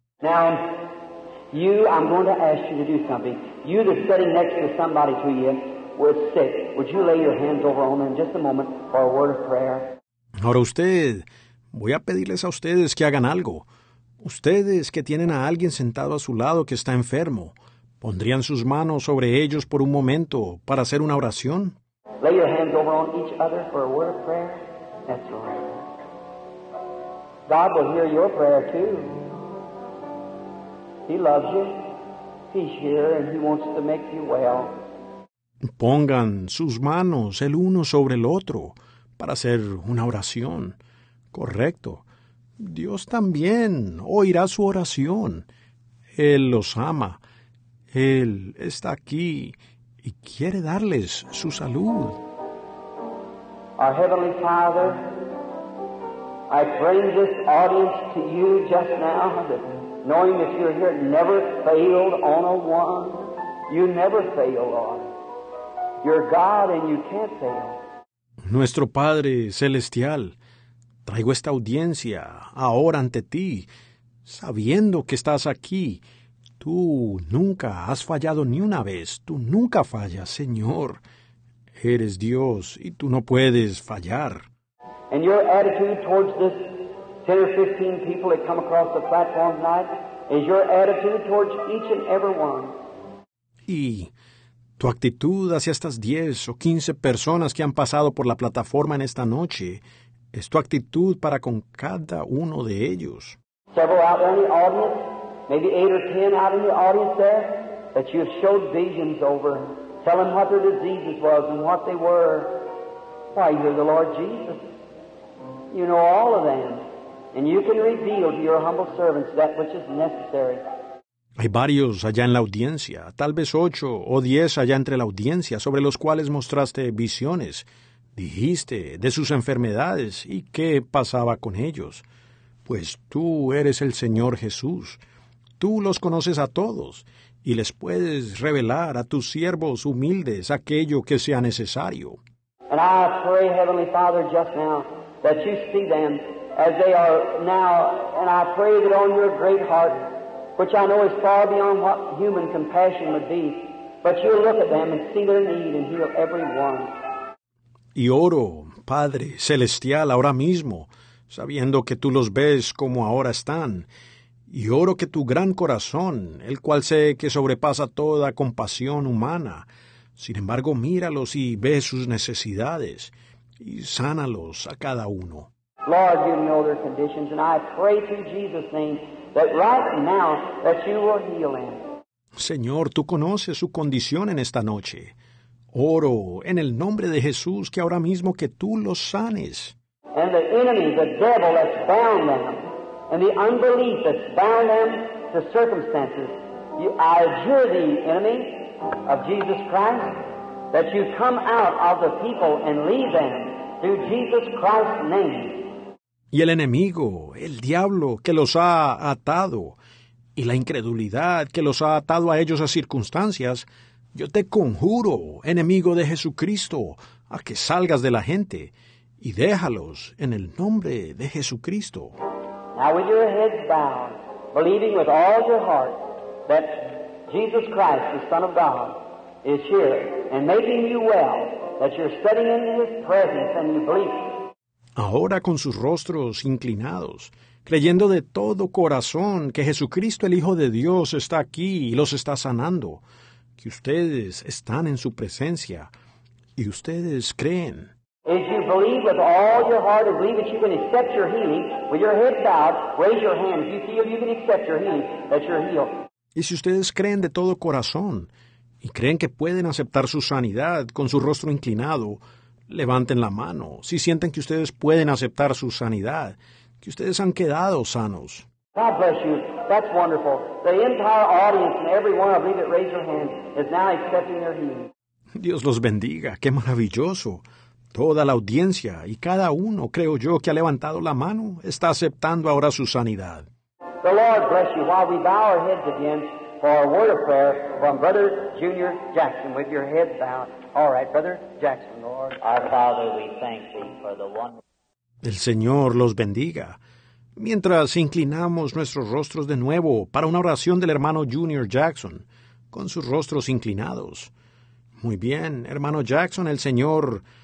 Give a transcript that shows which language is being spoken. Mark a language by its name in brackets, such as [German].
[English] Now, you, I'm going to ask you to do something. You that's sitting next to somebody to you with sick, would you lay your hands over on them just a moment for a word of prayer? [Spanish] Ahora usted, voy a pedirles a ustedes que hagan algo. Ustedes que tienen a alguien sentado a su lado que está enfermo, ¿pondrían sus manos sobre ellos por un momento para hacer una oración? [English] Lay your hands over on each other for a word of prayer. That's right. God will hear your prayer too. He loves you. He's here and he wants to make you well. [Spanish] Pongan sus manos el uno sobre el otro para hacer una oración. Correcto. Dios también oirá su oración. Él los ama. Él está aquí y quiere darles su salud. [English] Our Heavenly Father, I bring this audience to you just now that knowing that you're here, never failed on a one. You never fail on. You're God and you can't fail. [Spanish] Nuestro Padre Celestial, traigo esta audiencia ahora ante ti, sabiendo que estás aquí. Tú nunca has fallado ni una vez. Tú nunca fallas, Señor. Eres Dios y tú no puedes fallar. [English] And your attitude towards this 10 or 15 people that come across the platform tonight is your attitude towards each and every one. [Spanish] Y tu actitud hacia estas 10 o 15 personas que han pasado por la plataforma en esta noche es tu actitud para con cada uno de ellos. [English] Several out in the audience, maybe 8 or 10 out in the audience there, that you've showed visions over, tell them what their diseases was and what they were. Why, you're the Lord Jesus. You know all of them. And you can reveal to your humble servants that which is necessary. [Spanish] Hay varios allá en la audiencia, tal vez 8 o 10 allá entre la audiencia, sobre los cuales mostraste visiones. Dijiste de sus enfermedades y qué pasaba con ellos. Pues tú eres el Señor Jesús. Tú los conoces a todos y les puedes revelar a tus siervos humildes aquello que sea necesario. [English] And I pray, Heavenly Father, just now, that you see them as they are now, and I pray that on your great heart, which I know is far beyond what human compassion would be, but you look at them and see their need and heal every one. [Spanish] Y oro, Padre Celestial, ahora mismo, sabiendo que tú los ves como ahora están, y oro que tu gran corazón, el cual sé que sobrepasa toda compasión humana, sin embargo, míralos y ve sus necesidades, y sánalos a cada uno. [English] Lord, you know their conditions, and I pray through Jesus' name that right now that you will heal them. [Spanish] Señor, tú conoces su condición en esta noche. Oro en el nombre de Jesús que ahora mismo que tú los sanes. [English] And the enemy, the devil that's bound them, and the unbelief that's bound them to circumstances, you, I adjure the enemy of Jesus Christ that you come out of the people and leave them through Jesus Christ's name. [Spanish] y el enemigo, el diablo, que los ha atado, y la incredulidad que los ha atado a ellos a circunstancias, yo te conjuro, enemigo de Jesucristo, a que salgas de la gente y déjalos en el nombre de Jesucristo. [English] Now with your heads bowed, believing with all your heart that Jesus Christ, the Son of God, is here and making you well, that you're studying in His presence and you believe. [Spanish] Ahora con sus rostros inclinados, creyendo de todo corazón que Jesucristo, el Hijo de Dios, está aquí y los está sanando, que ustedes están en su presencia y ustedes creen. [English] If you believe with all your heart and believe that you can accept your healing, with your head bowed, raise your hand. If you feel you can accept your healing, that you're healed. [Spanish] Y si ustedes creen de todo corazón y creen que pueden aceptar su sanidad con su rostro inclinado, levanten la mano. Si sienten que ustedes pueden aceptar su sanidad, que ustedes han quedado sanos. [English] God bless you. That's wonderful. The entire audience and every one of you that raised your hand is now accepting their healing. [Spanish] Dios los bendiga. ¡Qué maravilloso! Toda la audiencia y cada uno, creo yo, que ha levantado la mano, está aceptando ahora su sanidad. [English] The Lord bless you while we bow our heads again for a word of prayer from Brother Junior Jackson with your head bowed. All right, Brother Jackson, Lord. Our Father, we thank Thee for the one. [Spanish] El Señor los bendiga. Mientras inclinamos nuestros rostros de nuevo para una oración del hermano Junior Jackson, con sus rostros inclinados. Muy bien, hermano Jackson, el Señor...